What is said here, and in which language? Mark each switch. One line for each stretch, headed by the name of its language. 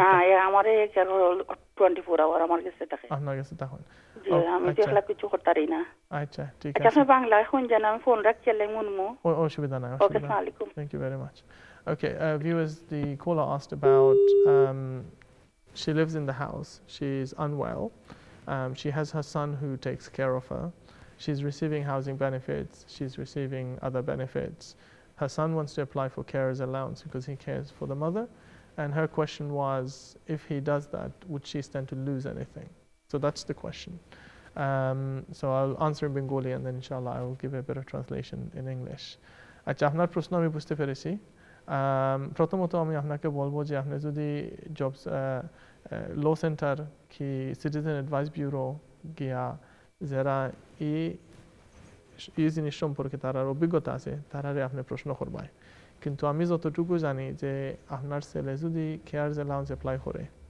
Bangla: না এ আমার এক আর 24 আওয়ার আমার কাছে থাকে আপনার কাছে তখন জি আমি তো এখন কিছু করতে পারি না আচ্ছা ঠিক আছে আচ্ছা বাংলা এখন জান আমি ফোন রাখছি লাই মুনমু অসুবিধা নাই ওকে আসসালামু আলাইকুম
English: Thank you very much okay viewers the caller asked about She lives in the house. She's unwell. She has her son who takes care of her. She's receiving housing benefits. She's receiving other benefits. Her son wants to apply for carer's allowance because he cares for the mother. And her question was, if he does that, would she stand to lose anything? So that's the question. So I'll answer in Bengali and then inshallah I will give a better translation in English.
Bangla: Acha apnar proshno ami bujhte perechi. প্রথমত আমি আপনাকে বলবো যে আপনি যদি jobs ল centre কি citizen advice bureau গিয়া যারা এই জিনিস সম্পর্কে তার অভিজ্ঞতা আছে তারারে আপনি প্রশ্ন করবেন কিন্তু আমি যতটুকু জানি যে আপনার ছেলে যদি কেয়ারস অ্যালাউন্স অ্যাপ্লাই করে